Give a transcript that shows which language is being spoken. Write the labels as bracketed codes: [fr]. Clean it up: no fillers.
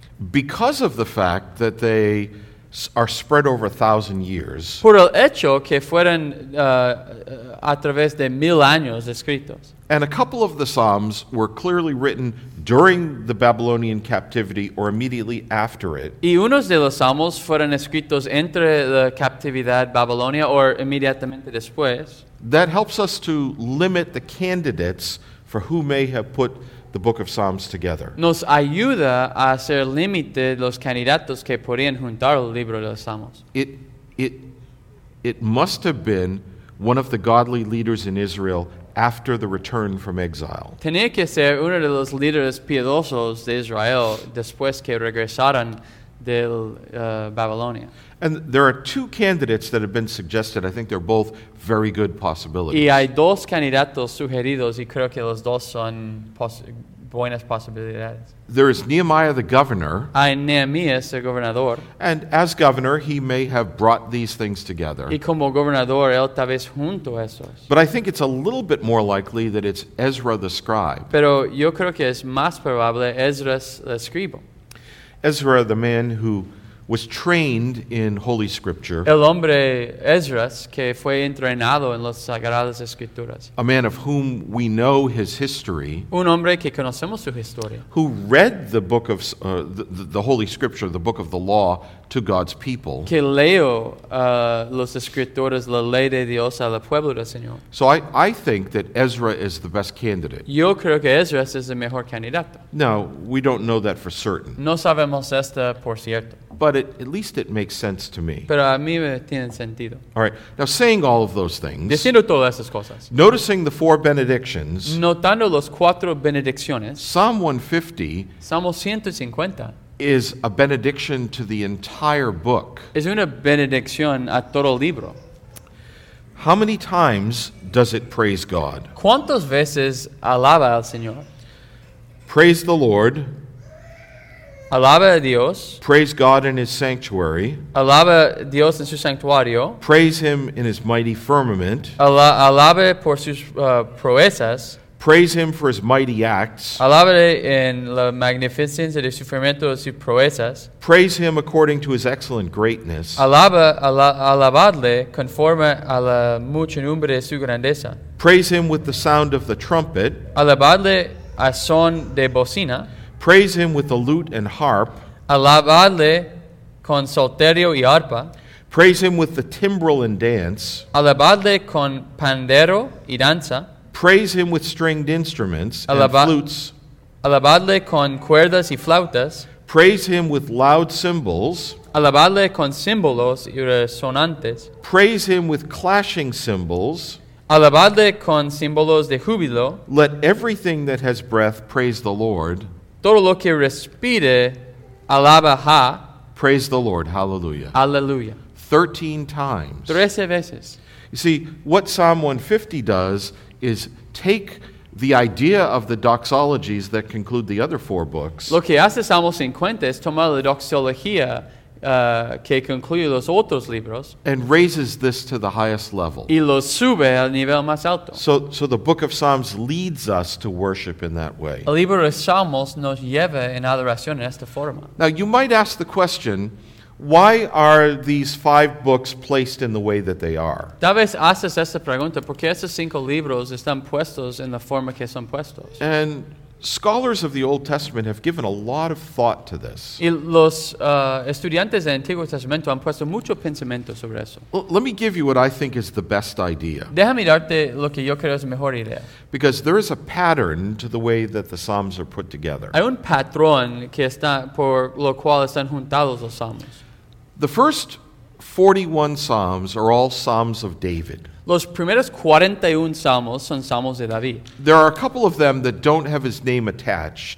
[en] Because of the fact that they are spread over 1,000 years. [es] Por el hecho que fueron a través de 1,000 años escritos. [en] And a couple of the Psalms were clearly written during the Babylonian captivity or immediately after it. [es] Y unos de los Salmos fueron escritos entre la captividad Babilonia o inmediatamente después. [en] That helps us to limit the candidates for who may have put the book of Psalms together. [es] Nos ayuda a hacer límite los candidatos que podrían juntar el libro de los Salmos. [en] It must have been one of the godly leaders in Israel after the return from exile. [es] Tenía que ser uno de los líderes piadosos de Israel después que regresaron del Babilonia. [en] And there are two candidates that have been suggested. I think they're both very good possibilities. [es] Y hay dos candidatos sugeridos y creo que los dos son buenas posibilidades. [en] There is Nehemiah the governor. [es] Hay Nehemías el gobernador. [en] And as governor, he may have brought these things together. [es] Y como gobernador, él tal vez junto esos. [en] But I think it's a little bit more likely that it's Ezra the scribe. [es] Pero yo creo que es más probable Ezra el escribo. [en] Ezra, the man who was trained in Holy Scripture. [es] El hombre Ezra, que fue entrenado en las Sagradas Escrituras. [en] A man of whom we know his history. [es] Un hombre que conocemos su historia. [en] Who read the book of the Holy Scripture, the book of the law, to God's people. [es] Que leo las Escrituras, la ley de Dios al pueblo del Señor. [en] So I think that Ezra is the best candidate. [es] Yo creo que Ezra es el mejor candidato. [en] No, we don't know that for certain. [es] No sabemos esto por cierto. [en] But at least it makes sense to me. [es] Pero a mí me tiene sentido. [en] All right. Now, saying all of those things. [es] Diciendo todas esas cosas. [en] Noticing the four benedictions. [es] Notando los cuatro bendiciones. [en] Psalm 150. [es] Salmo 150. [en] Is a benediction to the entire book. [es] Es una bendición a todo el libro. [en] How many times does it praise God? [es] ¿Cuántas veces alaba al Señor? [en] Praise the Lord. [es] Alaba a Dios. [en] Praise God in his sanctuary. [es] Alaba Dios en su santuario. [en] Praise him in his mighty firmament. [es] Alaba por sus proezas. [en] Praise him for his mighty acts. [es] Alaba en la magnificencia de su firmamento y sus proezas. [en] Praise him according to his excellent greatness. [es] Alabadle conforme a la muchedumbre de su grandeza. [en] Praise him with the sound of the trumpet. [es] Alabadle a son de bocina. [en] Praise him with the lute and harp. [es] Alabadle con salterio y arpa. [en] Praise him with the timbrel and dance. [es] Alabadle con pandero y danza. [en] Praise him with stringed instruments and flutes. [es] Alabadle con cuerdas y flautas. [en] Praise him with loud cymbals. [es] Alabadle con címbalos y resonantes. [en] Praise him with clashing cymbals. [es] Alabadle con címbalos de júbilo. [en] Let everything that has breath praise the Lord. [es] Todo lo que respire, alaba ha. [en] Praise the Lord. Hallelujah. [es] Hallelujah. [en] 13 times. [es] 13 veces. [en] You see, what Psalm 150 does is take the idea of the doxologies that conclude the other four books. [es] Lo que hace Salmo 50 es tomar la doxología que concluye los otros libros. [en] And raises this to the highest level. [es] Y lo sube al nivel más alto. [en] So the book of Psalms leads us to worship in that way. [es] El libro de Salmos nos lleva en adoración en esta forma. [en] Now you might ask the question, why are these five books placed in the way that they are? [es] Tal vez haces esta pregunta, ¿por qué estos cinco libros están puestos en la forma que son puestos? [en] And scholars of the Old Testament have given a lot of thought to this. [es] Y los estudiantes del Antiguo Testamento han puesto mucho pensamiento sobre eso. [en] Let me give you what I think is the best idea. [es] Déjame darte lo que yo creo es mejor idea. [en] Because there is a pattern to the way that the Psalms are put together. [es] Hay un patrón que está por lo cual están juntados los Salmos. [en] The first 41 Psalms are all Psalms of David. [es] Los primeros 41 salmos son salmos de David. [en] There are a couple of them that don't have his name attached.